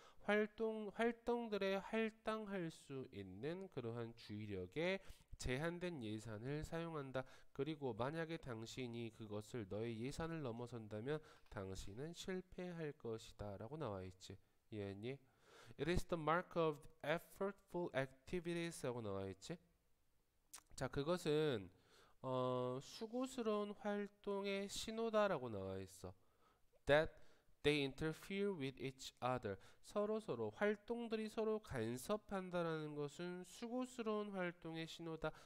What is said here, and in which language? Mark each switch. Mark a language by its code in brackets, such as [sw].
[ko] 활동들에 할당할 수 있는 그러한 주의력에 제한된 예산을 사용한다. 그리고 만약에 당신이 그것을 너의 예산을 넘어선다면 당신은 실패할 것이다 라고 나와 있지. 이해했니? [en] It is the mark of effortful activities [ko] 라고 나와 있지. 자, 그것은 수고스러운 활동의 신호다 라고 나와 있어. [en] That they interfere with each other. [ko] 서로서로 활동들이 서로 간섭한다라는 것은 수고스러운 활동의 신호다.